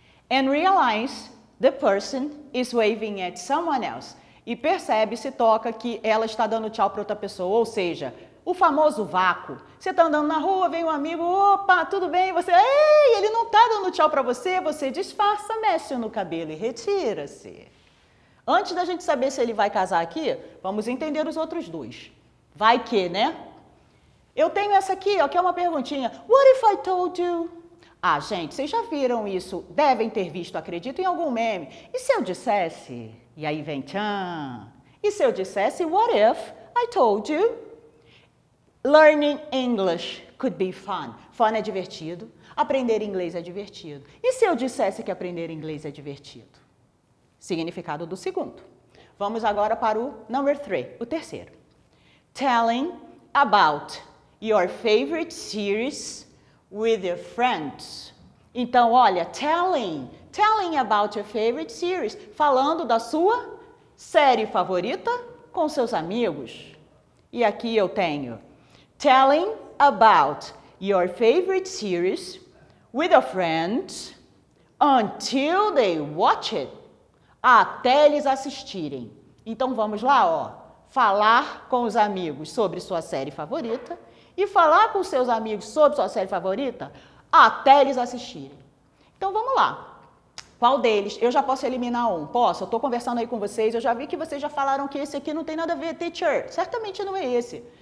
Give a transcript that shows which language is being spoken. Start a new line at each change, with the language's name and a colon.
English: And realize the person is waving at someone else.
Portuguese: E percebe, se toca, que ela está dando tchau para outra pessoa. Ou seja, o famoso vácuo. Você está andando na rua, vem um amigo, opa, tudo bem? Você, ei, ele não está dando tchau para você. Você disfarça, mexe no cabelo e retira-se. Antes da gente saber se ele vai casar aqui, vamos entender os outros dois. Vai que, né? Eu tenho essa aqui, ó, que é uma perguntinha.
English: What if I told you?
Portuguese: Ah, gente, vocês já viram isso? Devem ter visto, acredito, em algum meme. E se eu dissesse? E aí vem tchan. E se eu dissesse,
English: what if I told you? Learning English could be fun. Fun
Portuguese: é divertido. Aprender inglês é divertido. E se eu dissesse que aprender inglês é divertido? Significado do segundo. Vamos agora para o number three, o terceiro.
English: Telling about your favorite series with your friends.
Portuguese: Então, olha,
English: telling about your favorite series,
Portuguese: falando da sua série favorita com seus amigos. E aqui eu tenho
English: telling about your favorite series with a friend until they watch it.
Portuguese: Até eles assistirem. Então, vamos lá, ó. Falar com os amigos sobre sua série favorita e falar com seus amigos sobre sua série favorita até eles assistirem. Então vamos lá. Qual deles? Eu já posso eliminar um. Posso? Eu estou conversando aí com vocês. Eu já vi que vocês já falaram que esse aqui não tem nada a ver. Teacher, certamente não é esse.